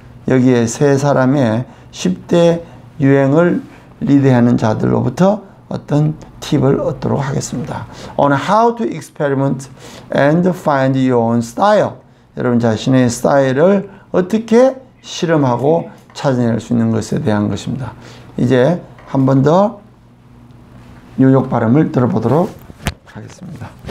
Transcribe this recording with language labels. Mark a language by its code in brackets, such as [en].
[ko] 여기에 세 사람의 10대 유행을 리드하는 자들로부터 어떤 팁을 얻도록 하겠습니다. [en] On how to experiment and find your own style. [ko] 여러분 자신의 스타일을 어떻게 실험하고 찾아낼 수 있는 것에 대한 것입니다. 이제 한 번 더 뉴욕 발음을 들어보도록 하겠습니다.